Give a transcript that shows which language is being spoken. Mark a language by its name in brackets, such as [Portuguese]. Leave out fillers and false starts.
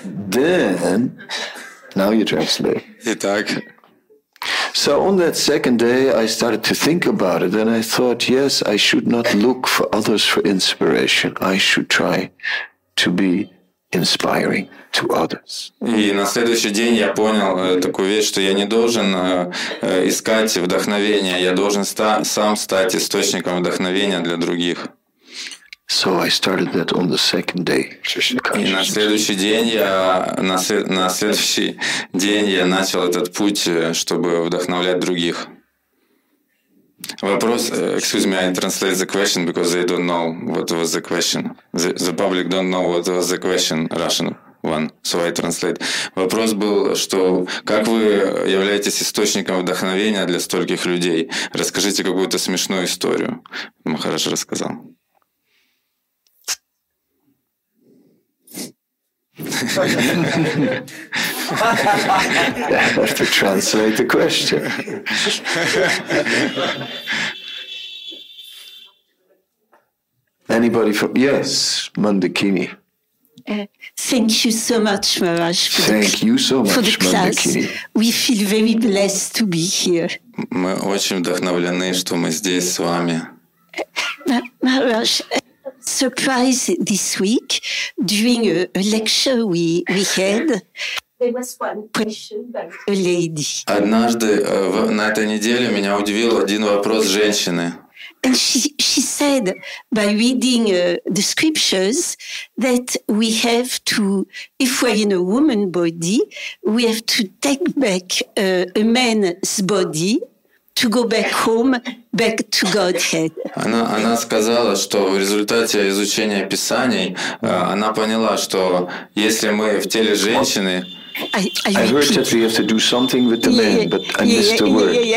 [English] Then, now you translate. [Russian] Итак. [English] So on that second day, I started to think about it, and I thought, yes, I should not look for others for inspiration. I should try to be inspiring to others. [Russian] И на следующий день я понял такую вещь, что я не должен искать вдохновение, я должен сам стать источником вдохновения для других. [English] So I started that on the second day. [Russian] И на следующий день я начал этот путь, чтобы вдохновлять других. Вопрос, [English] excuse me, I translate the question because they don't know what was the question. The public don't know what was the question, Russian one. So I translate. [Russian] Вопрос был, что как вы являетесь источником вдохновения для стольких людей? Расскажите какую-то смешную историю. Махарадж рассказал. [English] I have to translate the question. Anybody from? Yes, Mandakini. Thank you so much, Maharaj. Thank you so much for the class. We feel very blessed to be here. [Russian] Мы очень вдохновлены, что мы здесь с вами. [English] Maharaj. Surprise this week during a lecture we had. There was one question by a lady. [Russian] Однажды на этой неделе меня удивил один вопрос женщины. [English] And she said by reading the scriptures that we have to, if we're in a woman body, we have to take back a man's body. To go back home, back to Godhead. [Russian] Она сказала, что в результате изучения Писаний она поняла, что если мы в теле женщины, [English] I heard that we have to do something with the man, but I missed the word.